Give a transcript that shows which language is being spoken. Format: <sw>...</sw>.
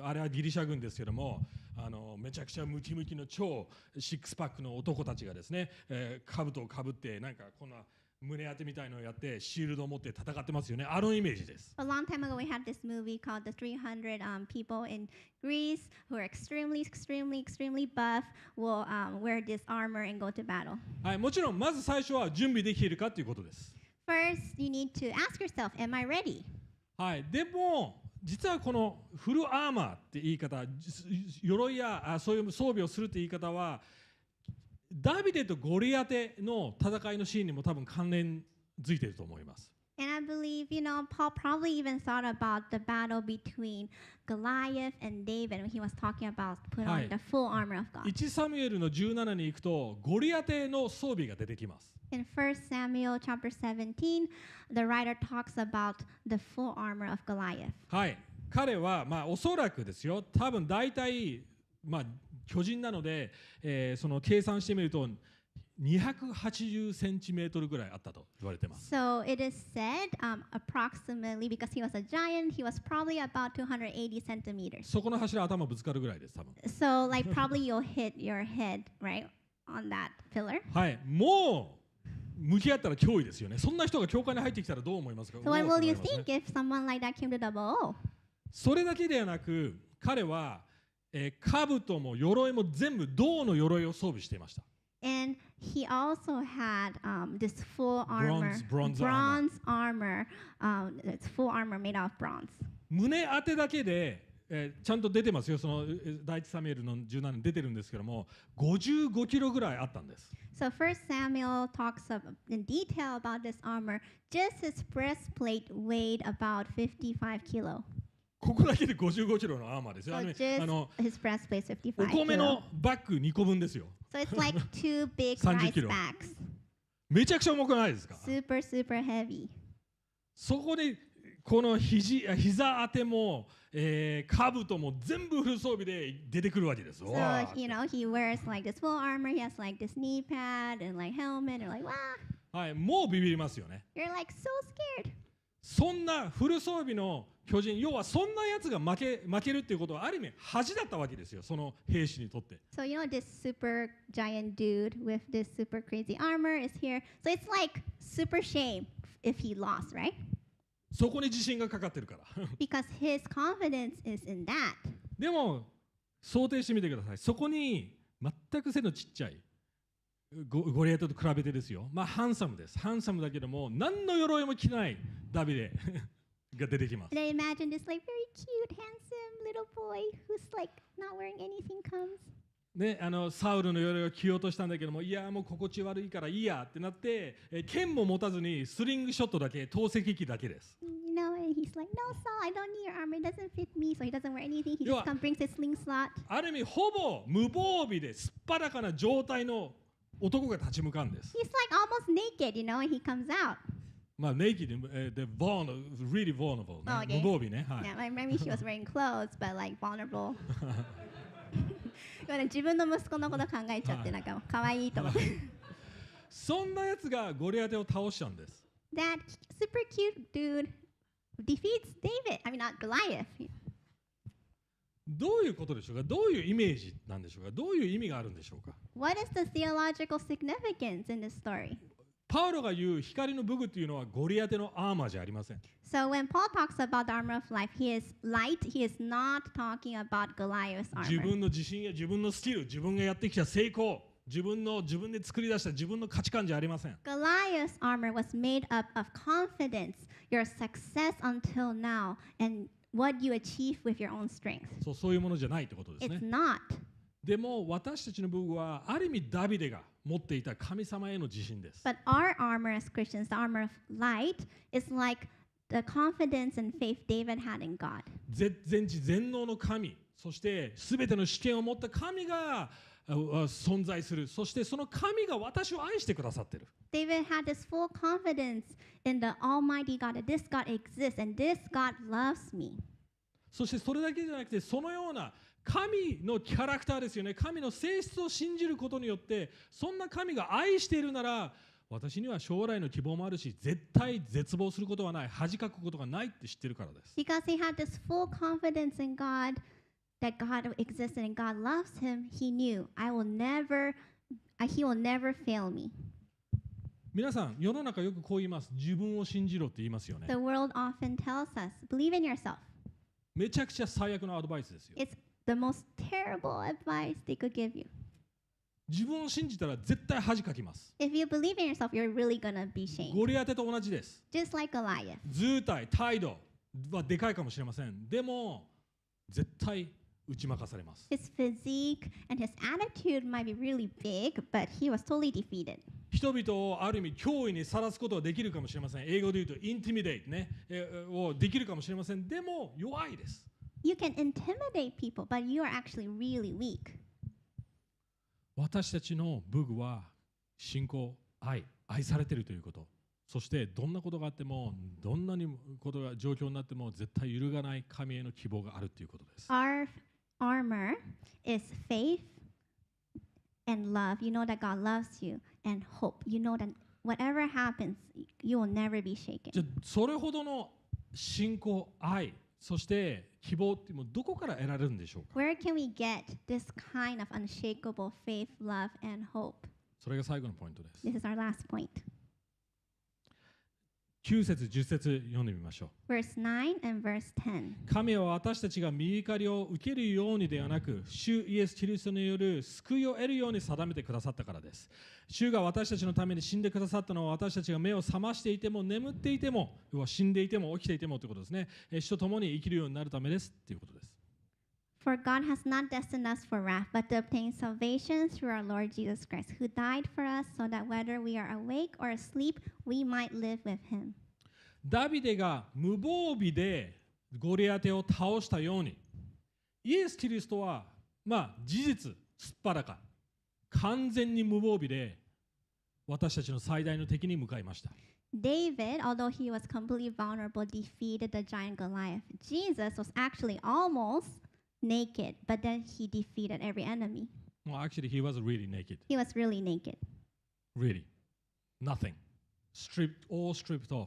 <ja>あれはギリシャ軍ですけども、めちゃくちゃムキムキの超シックスパックの男たちがですね、兜をかぶってなんかこんな胸当てみたいのをやってシールドを持って戦ってますよね。あのイメージです。</ja> <en>A long time ago, we had this movie called The 300 People in Greece who are extremely, extremely, extremely buff will wear this armor and go to battle.</en> <ja>はい、もちろんまず最初は準備できるかということです。</ja> <en>First, you need to ask yourself, am I ready?</en> <ja>はい、でも実はこのフルアーマーって言い方、鎧やそういう装備をするって言い方は、ダビデとゴリアテの戦いのシーンにも多分関連づいていると思います。</ja> <en>And I believe, you know, Paul probably even thought about the battle between Goliath and David when he was talking about putting on the full armor of God.</en> <ja>1サムエルの17に行くと、ゴリアテの装備が出てきます。</ja> <en>In 1 Samuel chapter 17, the writer talks about the full armor of Goliath.</en> <ja>はい、彼はまあおそらくですよ、多分大体まあ巨人なので、その計算してみると280センチメートルぐらいあったと言われてます。</ja> <en>So it is said, approximately, because he was a giant, he was probably about 280 centimeters.</en> <ja>そこの柱頭ぶつかるぐらいです、多分。</ja> <en>So like probably you'll hit your head right on that pillar.</en> <ja>はい、もう向き合ったら脅威ですよね。そんな人が教会に入ってきたらどう思いますか。</ja> <en>So what will you think if someone like that came to double?</en> <ja>それだけではなく、彼は兜も鎧も全部銅の鎧を装備していました。</ja> <en>And he also had this full armor, bronze armor. It's full armor made out of bronze.</en> <ja>胸当てだけで、ちゃんと出てますよ。その第1サムエルの17に出てるんですけども、55キロぐらいあったんです。</ja> <en>So First Samuel talks in detail about this armor. Just his breastplate weighed about 55 kilo.</en> <ja>ここだけで55キロのアーマーですよ。お米のバッグ2個分ですよ。</ja> <en>So it's like two big rice bags.</en> <ja>めちゃくちゃ重くないですか？</ja> <en>Super, super heavy.</en> <ja>そこでこの膝当ても、兜も全部フル装備で出てくるわけです。</ja> <en>So, you know, he wears like this full armor. He has like this knee pad and like helmet and like, wah!</en> <ja>はい、もうビビりますよね。</ja> <en>You're like so scared.</en> <ja>そんなフル装備の巨人、要はそんなやつが負けるっていうことはある意味恥だったわけですよ、その兵士にとって。</ja> <en>So you know this super giant dude with this super crazy armor is here. So it's like super shame if he lost, right?</en> <ja>そこに自信がかかってるから。</ja> <en>Because his confidence is in that.</en> <ja>でも想定してみてください。そこに全く背のちっちゃい。ゴリアテと比べてですよ。まあハンサムです。ハンサムだけども何の鎧も着ないダビデが出てきます。</ja> <en>They imagine this like very cute, handsome little boy who's like not wearing anything comes.</en> <ja>ね、サウルの鎧を着ようとしたんだけども、いやもう心地悪いからいいやってなって、剣も持たずにスリングショットだけ、投石器だけです。</ja> <en>You know, and he's like, no, Saul, I don't need your armor. It doesn't fit me, so he doesn't wear anything. He just comes, brings his sling slot.</en> <ja>ある意味ほぼ無防備で素っ裸な状態の男が立ち向かうんです。</ja> <en>He's like almost naked, you know, and he comes out. まあ、naked, they're vulnerable, really vulnerable. Oh, okay.</en> <ja>無防備ね。はい。</ja> <en>Yeah, maybe she was wearing clothes, but like vulnerable.</en> <ja>今ね、自分の息子のこと考えちゃって、なんか可愛いと思って。そんなやつがゴリアテを倒したんです。</ja> <en>That super cute dude defeats David, I mean, not Goliath.</en> <ja>どういうことでしょうか。どういうイメージなんでしょうか。どういう意味があるんでしょうか。</ja> <en>What is the theological significance in this story?</en> <ja>パウロが言う光の武具というのはゴリアテのアーマーじゃありません。</ja> <en>So when Paul talks about the armor of life, he is light. He is not talking about Goliath's armor.</en> <ja>自分の自信や自分のスキル、自分がやってきた成功、自分で作り出した自分の価値観じゃありません。</ja> <en>Goliath's armor was made up of confidence, your success until now, and what you achieve with your own strength.</en> <ja>そういうものじゃないってことですね。</ja> <en>It's not.</en> <ja>でも私たちの武具はある意味ダビデが持っていた神様への自信です。</ja> <en>But our armor as Christians, the armor of light, is like the confidence and faith David had in God.</en> <ja>全知全能の神、そしてすべての主権を持った神が存在する。そしてその神が私を愛してくださってる。</ja> <en>David had this full confidence in the Almighty God that this God exists and this God loves me.</en> <ja>そしてそれだけじゃなくてそのような神のキャラクターですよね。神の性質を信じることによって、そんな神が愛しているなら、私には将来の希望もあるし、絶対絶望することはない、恥かくことがないって知ってるからです。</ja> <en>Because he had this full confidence in God, that God existed and God loves him, he knew, he will never fail me.</en> <ja>皆さん、世の中よくこう言います。自分を信じろって言いますよね。</ja> <en>The world often tells us, believe in yourself.</en> <ja>めちゃくちゃ最悪のアドバイスですよ。</ja> <en>It's the most terrible advice they could give you.</en> <ja>自分を信じたら絶対恥かきます。</ja> <en>If you believe in yourself, you're really gonna be shamed.</en> <ja>ゴリアテと同じです。</ja> <en>Just like Goliath.</en> <ja>図体、態度はでかいかもしれません。でも、絶対打ち負かされます。</ja> <en>His physique and his attitude might be really big, but he was totally defeated.</en> <ja>人々をある意味脅威にさらすことはできるかもしれません。英語で言うと intimidate ね、をできるかもしれません。でも、弱いです。</ja> <en>You can intimidate people, but you are actually really weak.</en> <ja>私たちの武具は信仰、愛、愛されているということ。そしてどんなことがあっても、どんなにことが状況になっても、絶対揺るがない神への希望があるということです。</ja> <en>Our armor is faith and love. You know that God loves you and hope. You know that whatever happens, you will never be shaken.</en> <ja>じゃあそれほどの信仰、愛、そして希望ってもうどこから得られるんでしょうか。</ja> <en>Where can we get this kind of unshakable faith, love, and hope?</en> <ja>それが最後のポイントです。</ja> <en>This is our last point.</en> <ja>9節10節読んでみましょう。</ja> <en>Verse 9 and verse 10.</en> <ja>神は私たちが御怒りを受けるようにではなく、主イエスキリストによる救いを得るように定めてくださったからです。主が私たちのために死んでくださったのは、私たちが目を覚ましていても眠っていても、死んでいても起きていてもということですね。主と共に生きるようになるためですということです。</ja> <en>For God has not destined us for wrath, but to obtain salvation through our Lord Jesus Christ, who died for us so that whether we are awake or asleep, we might live with him.</en> <ja>ダビデが無防備でゴリアテを倒したように、イエス・キリストは、まあ、事実、すっぱらか、完全に無防備で私たちの最大の敵に向かいました。</ja> <en>David, although he was completely vulnerable, defeated the giant Goliath. Jesus was actually almost... Naked, but then he defeated every enemy. Well, actually, he was really naked. He was really naked. Really, nothing, stripped, all stripped off.</en>